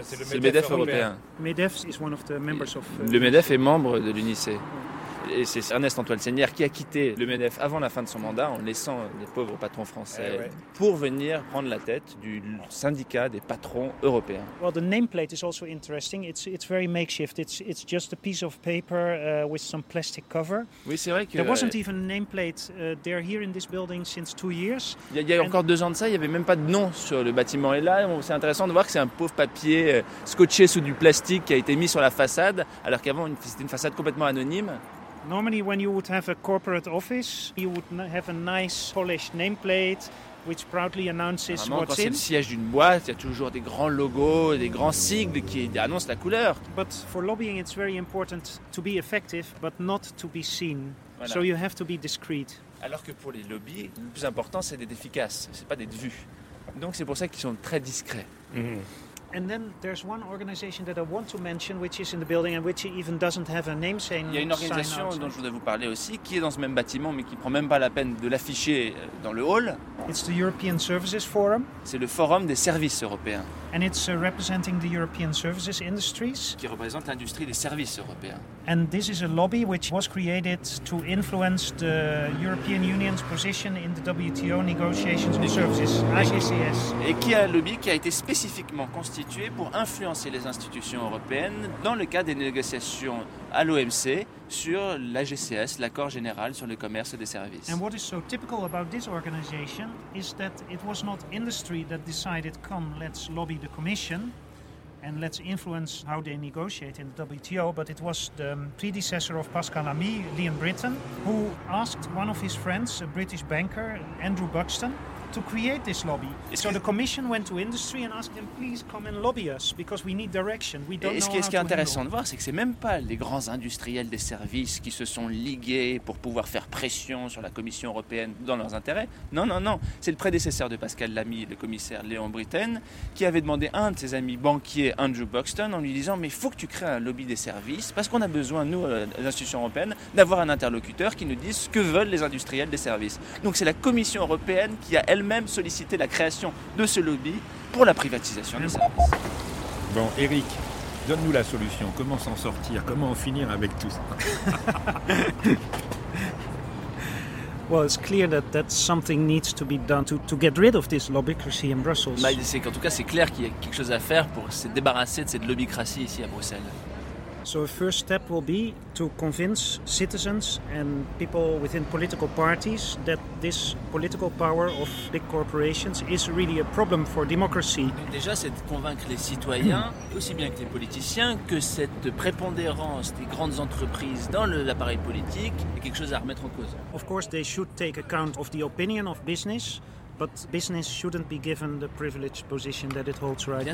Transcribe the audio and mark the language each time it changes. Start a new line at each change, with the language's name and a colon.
French: C'est le MEDEF européen.
English: MEDEF is one of the members of...
French: Le MEDEF est membre de l'UNICE. Et c'est Ernest-Antoine Seigneur qui a quitté le MEDEF avant la fin de son mandat en laissant les pauvres patrons français pour venir prendre la tête du syndicat des patrons européens.
English: Well, the nameplate is also interesting. It's very makeshift. It's just a piece of paper with some plastic cover.
French: Oui, c'est vrai que
English: there wasn't even a nameplate there here in this building since 2 years.
French: Il y a encore 2 ans de ça, il y avait même pas de nom sur le bâtiment. Et là, c'est intéressant de voir que c'est un pauvre papier scotché sous du plastique qui a été mis sur la façade, alors qu'avant c'était une façade complètement anonyme.
English: Normally, when you would have a corporate office, you would have a nice polished nameplate, which proudly announces what's in.
French: Normalement, quand c'est le siège d'une boîte, il y a toujours des grands logos, des grands sigles qui annoncent la couleur.
English: But for lobbying, it's very important to be effective, but not to be seen. Voilà. So you have to be discreet.
French: Alors que pour les lobbies, le plus important, c'est d'être efficace. C'est pas d'être vu. Donc c'est pour ça qu'ils sont très discrets.
English: And then there's one organization that I want to mention, which is in the building and which even doesn't have a name saying.
French: Il y a une organisation dont je voudrais vous parler aussi, qui est dans ce même bâtiment, mais qui prend même pas la peine de l'afficher dans le hall.
English: It's the European Services Forum.
French: C'est le forum des services européens.
English: And it's representing the European services industries.
French: Qui représente l'industrie des services européens.
English: And this is a lobby which was created to influence the European Union's position in the WTO negotiations on services, IGCS.
French: Et qui est un lobby qui a été spécifiquement constitué pour influencer les institutions européennes dans le cadre des négociations à l'OMC sur l'AGCS, l'accord général sur le commerce des services.
English: And what is so typical about this organization is that it was not industry that decided, come, let's lobby the commission and let's influence how they negotiate in the WTO, but it was the predecessor of Pascal Lamy, Liam Britton, who asked one of his friends, a British banker, Andrew Buxton, to create this lobby. So the commission went to industry and asked them, please come and lobby us because we need direction. We don't know.
French: Et ce qui est intéressant de voir, c'est que c'est même pas les grands industriels des services qui se sont ligués pour pouvoir faire pression sur la Commission européenne dans leurs intérêts. Non. C'est le prédécesseur de Pascal Lamy, le commissaire Léon Britten, qui avait demandé à un de ses amis banquiers, Andrew Buxton, en lui disant, mais il faut que tu crées un lobby des services parce qu'on a besoin, nous, les institutions européennes, d'avoir un interlocuteur qui nous dise ce que veulent les industriels des services. Donc c'est la Commission européenne qui a elle-même sollicité la création de ce lobby pour la privatisation des services. Bon, Eric, donne-nous la solution. Comment s'en sortir? Comment en finir avec tout ça?
English: Well, it's clear that something needs to be done to get rid of this lobbycracy in Brussels.
French: Bah, c'est qu'en tout cas, c'est clair qu'il y a quelque chose à faire pour se débarrasser de cette lobbycratie ici à Bruxelles.
English: So a first step will be to convince citizens and people within political parties that this political power of big corporations is really a problem for democracy.
French: Déjà, c'est de convaincre les citoyens, aussi bien que les politiciens, que cette prépondérance des grandes entreprises dans l'appareil politique est quelque chose à remettre en cause.
English: Of course, they should take account of the opinion of business. But business shouldn't be given the privileged position that it holds right now.